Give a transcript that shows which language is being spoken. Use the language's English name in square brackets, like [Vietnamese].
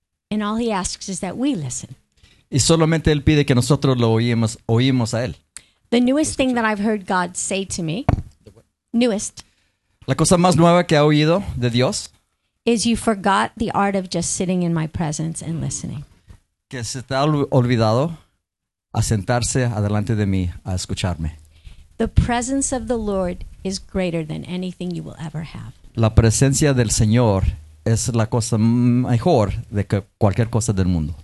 [English] And all he asks is that we listen. [Spanish] Y solamente él pide que nosotros lo oímos a él. [English] The newest thing that I've heard God say to me. Newest. [Spanish] La cosa más nueva que ha oído de Dios. [English] Is you forgot the art of just sitting in my presence and listening. [Spanish] Que se te ha olvidado a sentarse adelante de mí a escucharme. [English] The presence of the Lord is greater than anything you will ever have. [Spanish] La presencia del Señor es la cosa mejor de que cualquier cosa del mundo.